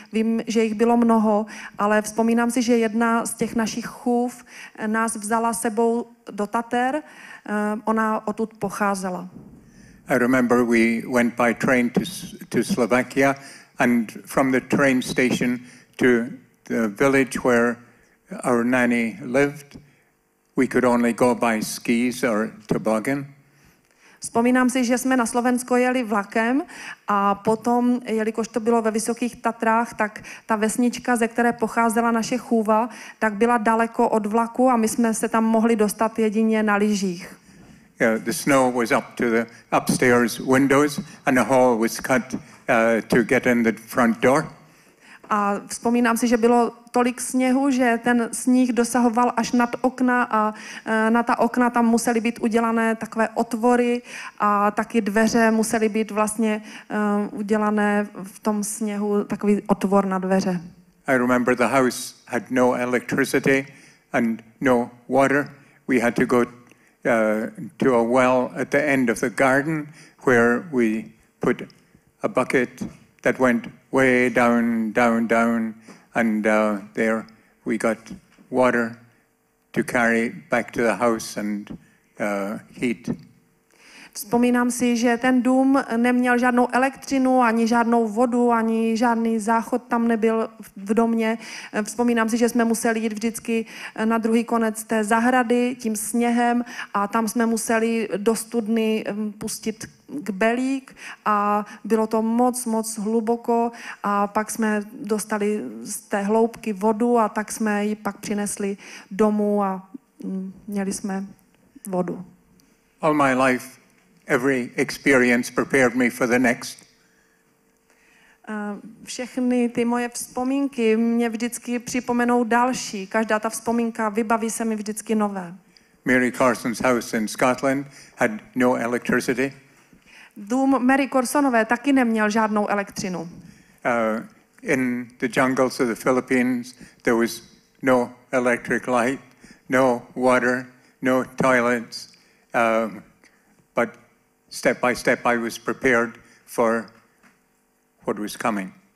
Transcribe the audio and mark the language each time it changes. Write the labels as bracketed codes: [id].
[cs] Vím, že jich bylo mnoho, ale vzpomínám si, že jedna z těch našich chův nás vzala sebou do Tater. Ona odtud pocházela. [en] I remember we went by train to Slovakia and from the train station to the village where our nanny lived. We could only go by skis or toboggan. [cs] Vzpomínám si, že jsme na Slovensko jeli vlakem a potom, jelikož to bylo ve Vysokých Tatrách, tak ta vesnička, ze které pocházela naše chůva, tak byla daleko od vlaku a my jsme se tam mohli dostat jedině na lyžích. [en] The snow was up to the upstairs windows and a hole was cut to get in the front door. [cs] A vzpomínám si, že bylo tolik sněhu, že ten sníh dosahoval až nad okna a na ta okna tam musely být udělané takové otvory a taky dveře musely být vlastně udělané v tom sněhu, takový otvor na dveře. [en] I remember the house had no electricity and no water. We had to go to a well at the end of the garden where we put a bucket that went way down, and there we got water to carry back to the house and heat. [cs] Vzpomínám si, že ten dům neměl žádnou elektřinu, ani žádnou vodu, ani žádný záchod tam nebyl v domě. Vzpomínám si, že jsme museli jít vždycky na druhý konec té zahrady tím sněhem a tam jsme museli do studny pustit kbelík a bylo to moc, moc hluboko a pak jsme dostali z té hloubky vodu a tak jsme ji pak přinesli domů a měli jsme vodu. [en] All my life, every experience prepared me for the next. [cs] Všechny ty moje vzpomínky mě vždycky připomenou další. Každá ta vzpomínka vybaví se mi vždycky nové. [en] Mary Carson's house in Scotland had no electricity. [cs] Dům Mary Carsonové taky neměl žádnou elektřinu. [en] In the jungles of the Philippines there was no electric light, no water, no toilets. But step by step I was prepared for what was coming.